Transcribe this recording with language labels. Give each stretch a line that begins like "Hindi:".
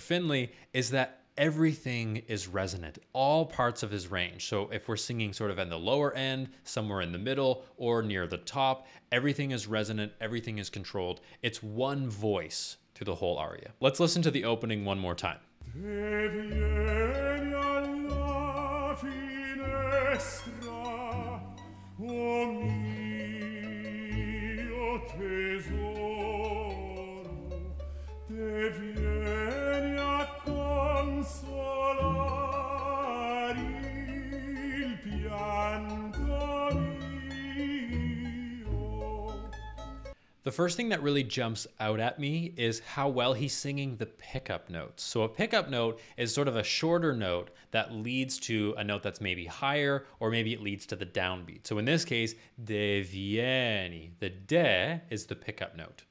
English: Finley is that everything is resonant, all parts of his range. So if we're singing sort of in the lower end, somewhere in the middle, or near the top, everything is resonant, everything is controlled. It's one voice through the whole aria. Let's listen to the opening one more time.
Italian: Deh vieni alla finestra, o mio tesoro, deh vieni a consolare il pianto mio.
English: The first thing that really jumps out at me is how well he's singing the pickup notes. So a pickup note is sort of a shorter note that leads to a note that's maybe higher, or maybe it leads to the downbeat. So in this case, Deh Vieni, the Deh is the pickup note.